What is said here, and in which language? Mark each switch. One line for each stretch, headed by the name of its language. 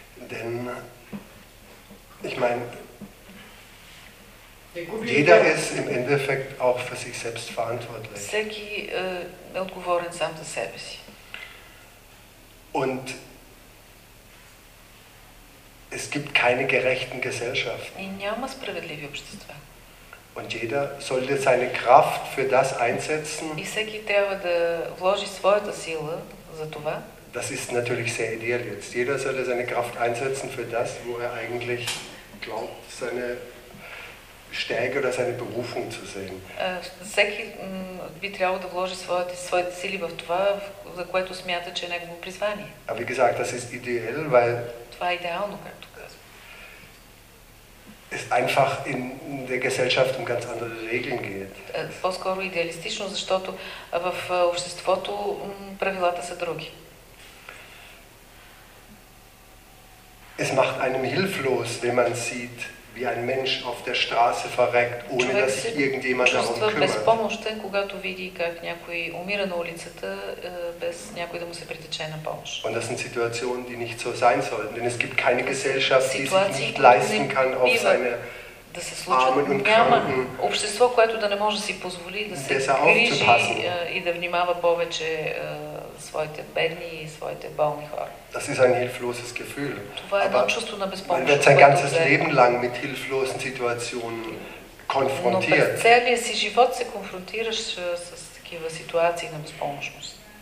German: Denn ich meine, jeder ist im Endeffekt auch für sich selbst verantwortlich.
Bulgarian: Всеки е отговорен сам за себе си.
German: Und es gibt keine gerechten Gesellschaften.
Bulgarian: И няма справедливи общества.
German: Und jeder sollte seine Kraft für das einsetzen.
Bulgarian: И всеки трябва да вложи своята сила за това.
German: Das ist natürlich sehr ideal jetzt. Jeder sollte seine Kraft einsetzen für das, wo er eigentlich glaubt, seine Stärke oder seine Berufung zu sehen.
Bulgarian: Всеки би трябвало да вложи своите сили в това, за което смята, че е негово призвание.
German: Aber wie gesagt, das ist ideal, weil...
Bulgarian: Това е идеално, както казвам.
German: es einfach in der Gesellschaft um ganz andere Regeln geht.
Bulgarian: По-скоро идеалистично, защото в обществото правилата са други.
German: Es macht einem hilflos, wenn man sieht, wie ein Mensch auf der Straße verreckt, ohne dass sich irgendjemand darum kümmert.
Bulgarian: Човек се чувства безпомощен, когато види как някой умира на улицата, без някой да му се притече на помощ.
German: Und das sind Situationen, die nicht so sein sollten, denn es gibt keine Gesellschaft, die sich nicht leisten kann, auf seine Armen und Kranken
Bulgarian: общество, което да не може да си позволи да се грижи и да внимава повече своите бедни и своите болни хора.
German: Das ist ein hilfloses Gefühl.
Bulgarian: Това е едно чувство на безпомощност.
German: Man wird sein ganzes Leben lang mit hilflosen Situationen konfrontiert.
Bulgarian: Но през целия си живот се конфронтираш с такива ситуации на безпомощност.